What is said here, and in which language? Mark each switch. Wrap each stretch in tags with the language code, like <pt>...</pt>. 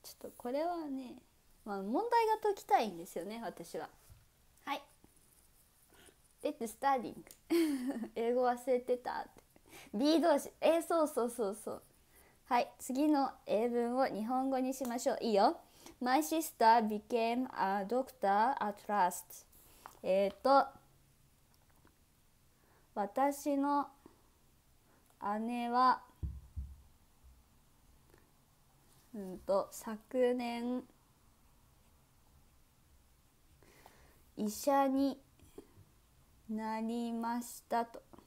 <ja>ちょっとこれはね、まあ、問題が解きたいんですよね、私は。はい、</ja> <en>It's studying</en> <ja>英語忘れてた。 B 動詞、そうはい、次の英文を日本語にしましょう。いいよ。</ja> <en>My sister became a doctor at last。</en> <ja>私の姉は昨年医者になりましたと。</ja>